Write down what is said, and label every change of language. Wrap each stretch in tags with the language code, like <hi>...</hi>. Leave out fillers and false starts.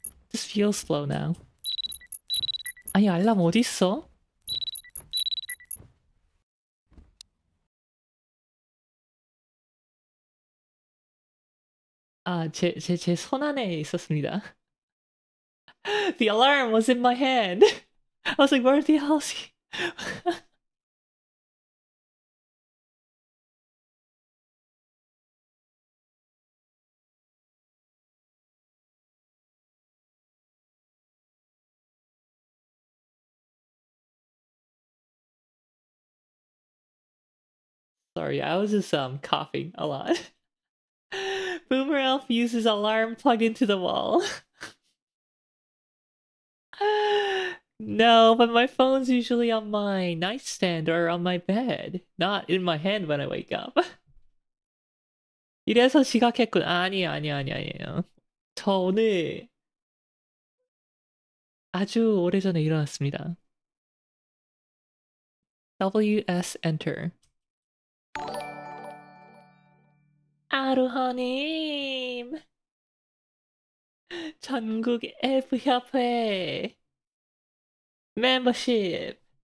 <en>This feels slow now.</en> <ko>아니, 알람 어디 있어? Ah, 제 손 안에 있었습니다.</ko> <en>The alarm was in my hand. I was like, where the hell is he? Sorry, I was just coughing a lot. Boomer Elf uses alarm plugged into the wall. No, but my phone's usually on my nightstand or on my bed, not in my hand when I wake up.</en> <ko>이래서 지각했군. 아니에요. 저 오늘 아주 오래전에 일어났습니다.</ko> <en>WS Enter.</en> <ko>Aruha-nim! 전국 엘프협회 멤버십!</ko>